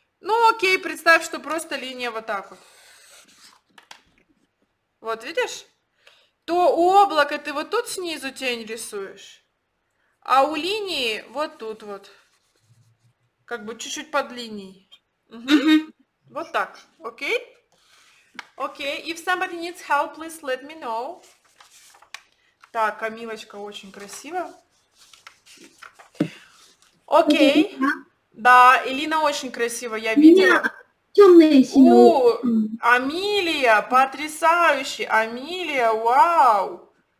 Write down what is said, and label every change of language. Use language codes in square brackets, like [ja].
[ru] Ну, окей, представь, что просто линия вот так вот. Вот, видишь? То у облака ты вот тут снизу тень рисуешь, а у линии вот тут вот. Как бы чуть-чуть под линией. Угу. Вот так. Окей? Окей. [en] If somebody needs help, please let me know. [ru] Так, Камилочка очень красиво. Окей. Да, Элина очень красиво, я видела. Темные синие. Амилия, потрясающе. Амилия, вау.